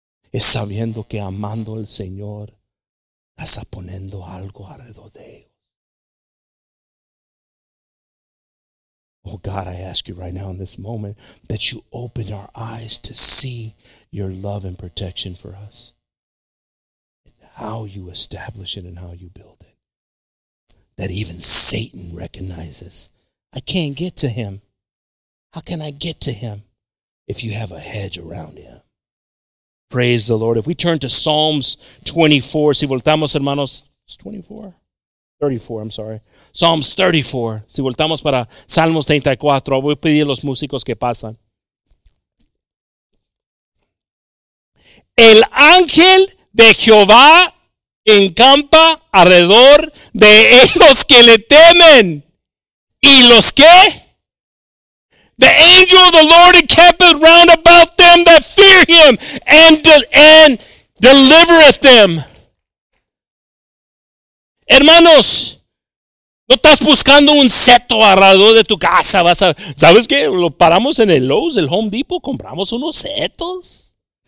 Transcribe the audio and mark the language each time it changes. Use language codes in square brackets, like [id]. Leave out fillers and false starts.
[es] Es sabiendo que amando al Señor, estás poniendo algo alrededor de ellos. [en] Oh God, I ask you right now in this moment that you open our eyes to see your love and protection for us. And how you establish it and how you build it. That even Satan recognizes. I can't get to him. How can I get to him if you have a hedge around him? Praise the Lord. If we turn to Psalms 24, [es] si voltamos, hermanos, [en] it's 24? 34, I'm sorry. [es] Psalms 34, si voltamos para Salmos 34, voy a pedir a los músicos que pasan. El ángel de Jehová encampa alrededor de ellos que le temen. ¿Y los qué? [en] The angel of the Lord encampeth round about them that fear him and delivereth them. [es] Hermanos, no estás buscando un seto alrededor de tu casa. Vas a, ¿sabes qué? Lo paramos en el Lowe's, el Home Depot, compramos unos setos.